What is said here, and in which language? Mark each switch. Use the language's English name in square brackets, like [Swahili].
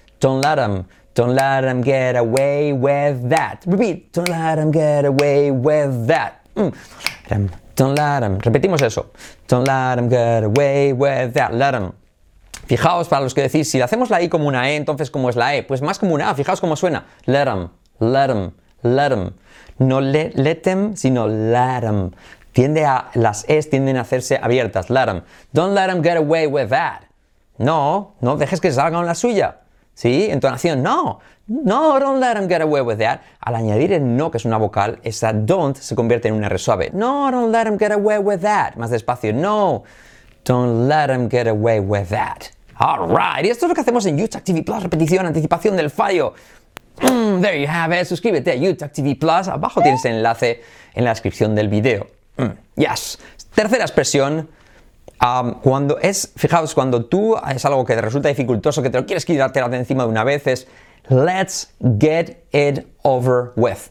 [English] Don't let them, don't let them get away with that. Repeat, don't let them get away with that. Don't let them, [Spanish] repetimos eso. [English] Don't let them get away with that, let them. [Spanish] Fijaos, para los que decís, si le hacemos la I como una E, entonces ¿cómo es la E? Pues más como una A, fijaos cómo suena. [English] Let them, let them, let them. No let them, [Spanish] sino [English] let them. [Spanish] Tiende a, las es tienden a hacerse abiertas. [English] Let them. Don't let them get away with that. [Spanish] No, no dejes que salga con la suya. ¿Sí? Entonación, no. [English] No, don't let them get away with that. [Spanish] Al añadir el no, que es una vocal, esa don't se convierte en una R suave. [English] No, don't let them get away with that. [Spanish] Más despacio, no. [English] Don't let them get away with that. All right. [Spanish] Y esto es lo que hacemos en Utah TV Plus. Repetición, anticipación del fallo. [English] There you have it. [Spanish] Suscríbete a Utah TV Plus. Abajo tienes el enlace en la descripción del video. Yes. Tercera expresión. Cuando es, fijaos, cuando tú es algo que te resulta dificultoso, que te lo quieres quitar de encima de una vez, es [English] let's get it over with.